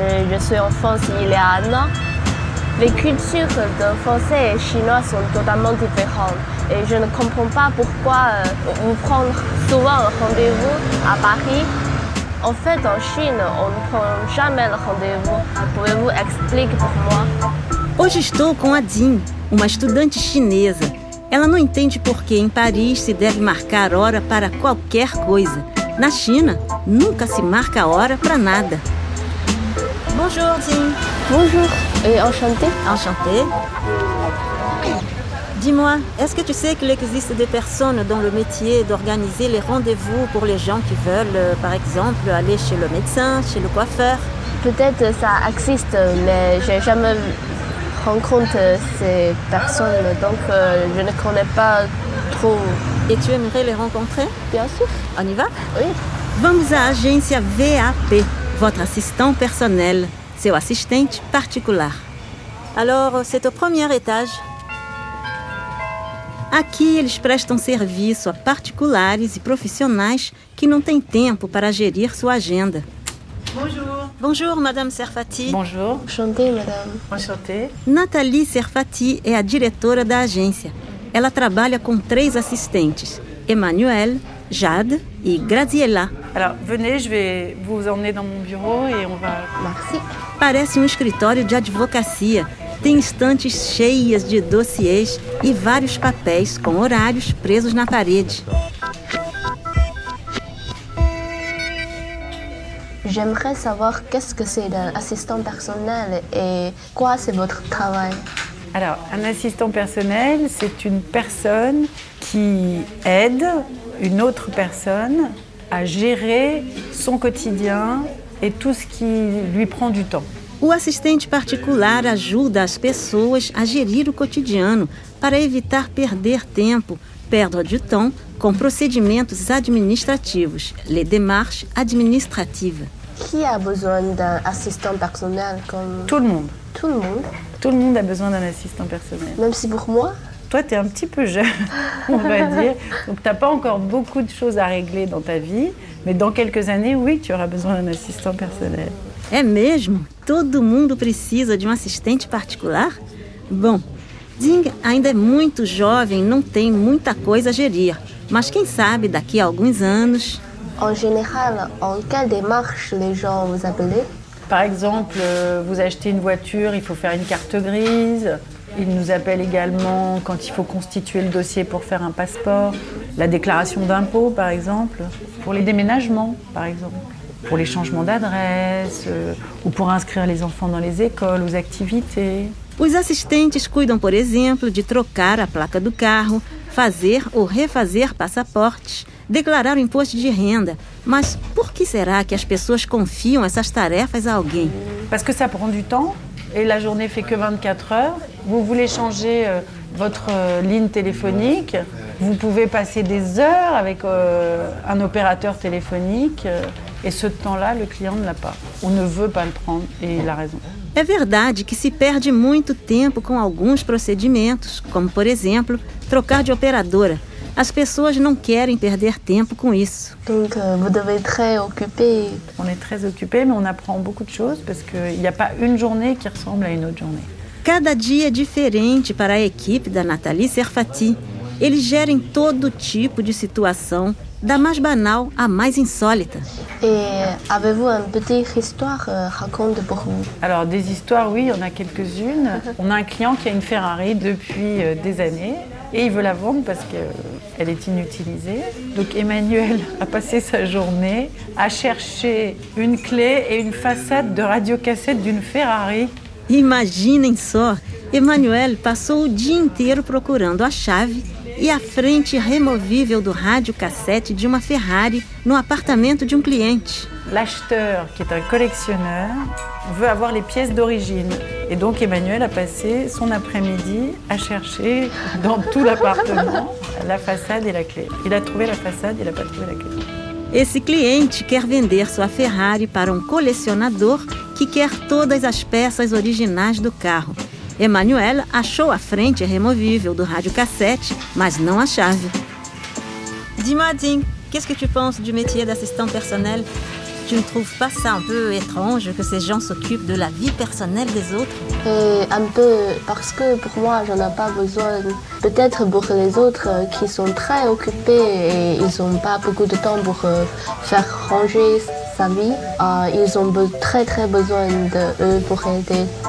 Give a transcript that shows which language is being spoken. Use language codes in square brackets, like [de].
[fr] Je suis en France il y a un an. Les cultures de français et chinois sont totalement différentes. Et je ne comprends pas pourquoi vous prendre souvent un rendez-vous à Paris. En fait, en Chine, on ne prend jamais le rendez-vous. Pouvez-vous expliquer pour moi? [pt] Hoje estou com a Jin, uma estudante chinesa. Ela não entende por que em Paris se deve marcar hora para qualquer coisa. Na China, nunca se marca hora para nada. [fr] Bonjour, Jin. Bonjour. Et enchanté. Enchanté. Dis-moi, est-ce que tu sais qu'il existe des personnes dans le métier d'organiser les rendez-vous pour les gens qui veulent, par exemple, aller chez le médecin, chez le coiffeur? Peut-être ça existe, mais j'ai jamais rencontré ces personnes, donc je ne connais pas trop. Et tu aimerais les rencontrer? Bien sûr. On y va? Oui. [pt] Vamos à l'agência VAP, [fr] votre assistant personnel, [pt] seu assistente particular. [fr] Alors, c'est au premier étage. [pt] Aqui eles prestam serviço a particulares e profissionais que não têm tempo para gerir sua agenda. [fr] Bonjour. Bonjour, Madame Serfati. Bonjour. Enchantée, Madame. Enchantée. [pt] Nathalie Serfati é a diretora da agência. Ela trabalha com três assistentes, Emmanuel, Jade e Graziella. [fr] Alors, venez, je vais vous emmener dans mon bureau et on va... Merci. [pt] Parece um escritório de advocacia. Tem estantes cheias de dossiês e vários papéis com horários presos na parede. [fr] J'aimerais savoir qu'est-ce que c'est un assistant personnel et quoi c'est votre travail. Alors, un assistant personnel, c'est une personne qui aide une autre personne à gérer son quotidien et tout ce qui lui prend du temps. [pt] O assistente particular ajuda as pessoas a gerir o cotidiano para evitar perder tempo, [fr] perdre du temps, [pt] com procedimentos administrativos, [fr] les démarches administratives. Qui a besoin d'un assistant personnel comme... Tout le monde. Tout le monde. Tout le monde a besoin d'un assistant personnel. Même si pour moi? Toi, t'es un petit peu jeune, on va dire. Donc, t'as pas encore beaucoup de choses à régler dans ta vie, mais dans quelques années, oui, tu auras besoin d'un assistant personnel. [pt] É mesmo? Todo mundo precisa de um assistente particular? Bom, Jing ainda é muito jovem, não tem muita coisa a gerir. Mas quem sabe, daqui a alguns anos... [fr] En général, en quelle démarche les gens vous appellent? Par exemple, vous achetez une voiture, il faut faire une carte grise. Ils nous appellent également quand il faut constituer le dossier pour faire un passeport. La déclaration d'impôt, par exemple. Pour les déménagements, par exemple. Pour les changements d'adresse, ou pour inscrire les enfants dans les écoles, aux activités. [pt] Os assistentes cuidam, por exemplo, de trocar a placa do carro, fazer ou refazer passaportes, declarar o imposto de renda. Mas por que será que as pessoas confiam essas tarefas a alguém? [fr] Parce que ça prend du temps et la journée fait que 24 heures. Vous voulez changer votre ligne téléphonique, vous pouvez passer des heures avec un opérateur téléphonique. Et ce temps-là, le client ne l'a pas. On ne veut pas le prendre et il a raison. [pt] É verdade que se perde muito tempo com alguns procedimentos, como por exemplo, trocar de operadora. As pessoas não querem perder tempo com isso. [fr] Donc, vous devez être très occupé. On est très occupé, mais on apprend beaucoup de choses parce que il y a pas une journée qui ressemble à une autre journée. [pt] Cada dia é diferente para a equipe da Nathalie Serfati. Eles gerem todo tipo de situação, da mais banal à mais insólita. [fr] E avez-vous une petite histoire raconte pour vous? Alors, des histoires, oui, il y en a quelques-unes. On a un client qui a une Ferrari depuis des années et il veut la vendre parce qu'elle est inutilisée. Donc Emmanuel a passé sa journée à chercher une clé et une façade de radiocassette d'une Ferrari. [pt] Imaginem só, Emmanuel passou o dia inteiro procurando a chave e a frente removível do rádio cassete de uma Ferrari no apartamento de um cliente. [fr] L'acheteur, que est un collectionneur, veut avoir les pièces d'origine. Et donc Emmanuel a passé son après-midi à chercher dans tout l'appartement la façade et la clé. Il a trouvé la façade, il n'a pas trouvé la clé. [pt] Esse cliente quer vender sua Ferrari para um colecionador que quer todas as peças originais do carro. Emmanuel achou a frente removível do rádio cassete, mas não a chave. [fr] Dis-moi, Jim, qu'est-ce que tu penses du métier d'assistant personnel? Tu ne trouves pas ça un peu étrange que ces gens s'occupent de la vie personnelle des autres? Et un peu, parce que pour moi, j'en ai pas besoin. Peut-être pour les autres qui sont très occupés et ils n'ont pas beaucoup de temps pour faire ranger sa vie, ils ont très très besoin d'eux pour aider.